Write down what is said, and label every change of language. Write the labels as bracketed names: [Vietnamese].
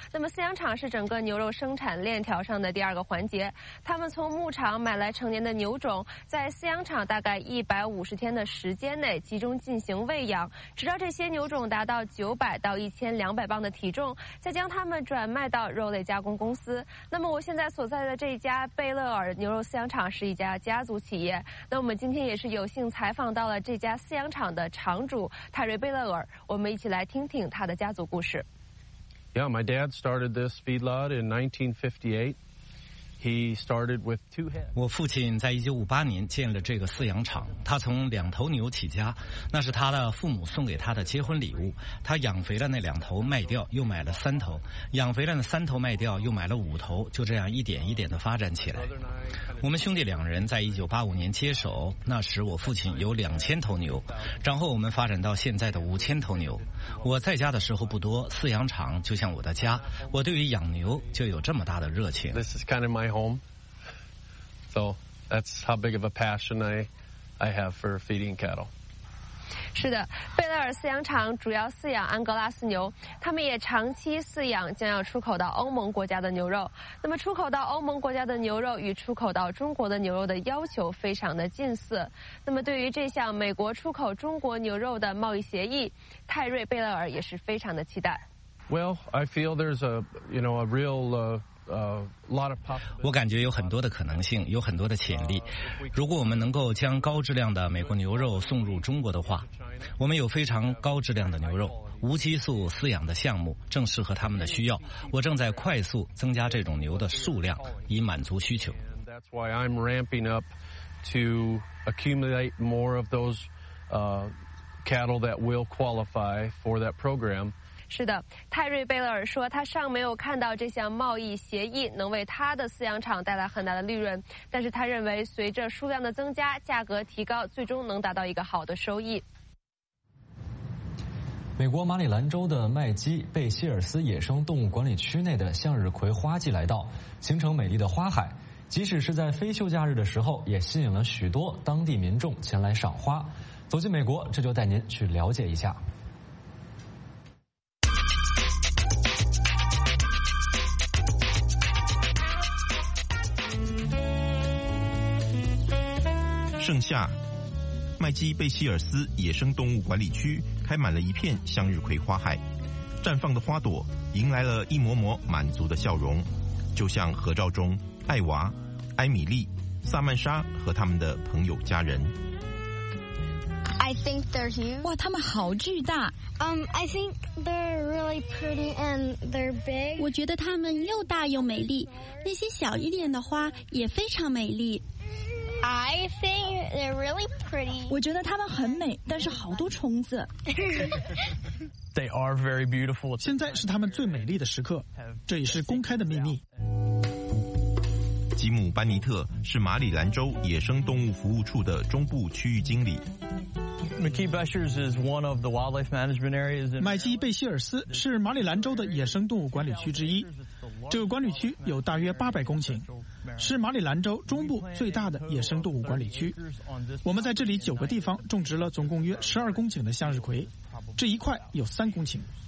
[Chinese] 那么饲养场是整个牛肉生产链条上的第二个环节，他们从牧场买来成年的牛种，在饲养场大概150天的时间内集中进行喂养，直到这些牛种达到900到1200磅的体重，再将它们转卖到肉类加工公司。那么我现在所在的这家贝勒尔牛肉饲养场是一家家族企业，那我们今天也是有幸采访到了这家饲养场的厂主泰瑞贝勒尔，我们一起来听听他的家族故事。 [English] Yeah, my dad started this feedlot in 1958. He started with two heads. [Chinese] 我父亲在1958年建了这个饲养场，他从两头牛起家，那是他的父母送给他的结婚礼物。他养肥了那两头，卖掉又买了三头，养肥了那三头卖掉又买了五头，就这样一点一点的发展起来。我们兄弟两人在1985年接手，那时我父亲有2000头牛，然后我们发展到现在的5000头牛。我在家的时候不多，饲养场就像我的家，我对于养牛就有这么大的热情。 [English] This is kind of my home, so that's how big of a passion I have for feeding cattle. [Chinese] 是的，贝勒尔饲养场主要饲养安格拉斯牛，他们也长期饲养将要出口到欧盟国家的牛肉。那么出口到欧盟国家的牛肉与出口到中国的牛肉的要求非常的近似。那么对于这项美国出口中国牛肉的贸易协议，泰瑞贝勒尔也是非常的期待。 [English] Well, I feel there's a, you know, a real, lot of possibility. [Chinese] 我感觉有很多的可能性，有很多的潜力。如果我们能够将高质量的美国牛肉送入中国的话，我们有非常高质量的牛肉，无激素饲养的项目正适合他们的需要。我正在快速增加这种牛的数量，以满足需求。 [English] That's why I'm ramping up to accumulate more of those cattle that will qualify for that program. [Chinese] 是的，泰瑞贝勒尔说他尚没有看到这项贸易协议能为他的饲养场带来很大的利润，但是他认为随着数量的增加，价格提高，最终能达到一个好的收益。美国马里兰州的麦基被希尔斯野生动物管理区内的向日葵花季来到，形成美丽的花海，即使是在非休假日的时候，也吸引了许多当地民众前来赏花。走进美国，这就带您去了解一下。盛夏，麦基贝希尔斯野生动物管理区开满了一片向日葵花海，绽放的花朵迎来了一抹抹满足的笑容，就像合照中艾娃、埃米丽、萨曼莎和他们的朋友家人。 [English] I think they're huge. [Chinese] 哇，他们好巨大。 [English] I think they're really pretty and they're big. [Chinese] 我觉得他们又大又美丽，那些小一点的花也非常美丽。 [English] I think they're really pretty. [Chinese] 我觉得他们很美，但是好多虫子。 [English] They are very beautiful. [Chinese] 现在是他们最美丽的时刻，这也是公开的秘密。吉姆·班尼特是马里兰州野生动物服务处的中部区域经理。 [English] McKee-Beshers is one of the wildlife management areas. [Chinese] 麦基·贝希尔斯是马里兰州的野生动物管理区之一。这个管理区有大约800公顷，是马里兰州中部最大的野生动物管理区。我们在这里9个地方种植了总共约12公顷的向日葵，这一块有3公顷。